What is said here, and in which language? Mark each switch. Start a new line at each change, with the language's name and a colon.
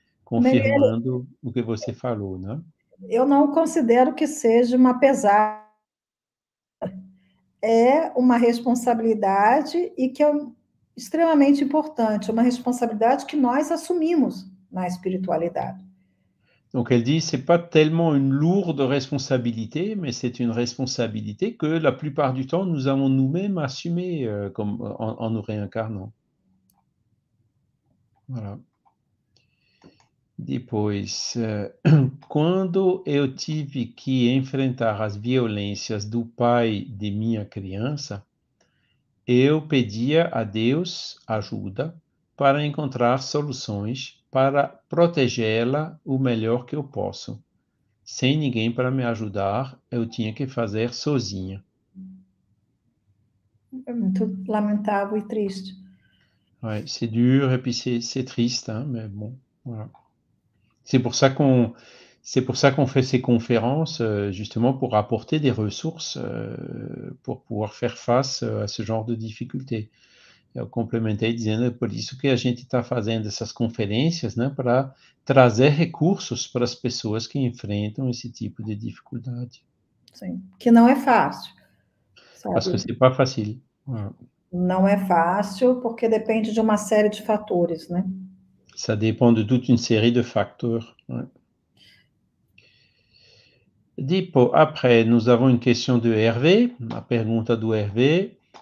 Portuguese: Confirmando o que você falou, né? eu não considero que seja uma pesada. É uma responsabilidade e que é extremamente importante, uma responsabilidade que nós assumimos na espiritualidade.
French: Donc elle dit, c'est pas tellement une lourde responsabilité, mais c'est une responsabilité que la plupart du temps nous avons nous-mêmes assumée en nous réincarnant. Voilà.
Portuguese: Depois, quando eu tive que enfrentar as violências do pai de minha criança, eu pedia a Deus ajuda para encontrar soluções para protegê-la o melhor que eu posso. Sem ninguém para me ajudar, eu tinha que fazer sozinha. É muito lamentável e triste.
French: Ouais, c'est dur et puis c'est triste, hein, mais bom. Voilà. C'est pour ça qu'on fait ces conférences, justement pour apporter des ressources, pour pouvoir faire face à ce genre de difficultés.
Portuguese: Eu complementei dizendo, é por isso que a gente está fazendo essas conferências, né, para trazer recursos para as pessoas que enfrentam esse tipo de dificuldade. Sim, que não é fácil, Porque sabe? isso é para fácil. Não é fácil porque depende de uma série de fatores, né?
French: Ça dépend de toute une série de facteurs. Depois, après, nous avons une question de Hervé, la
Portuguese: pergunta do
French: Hervé.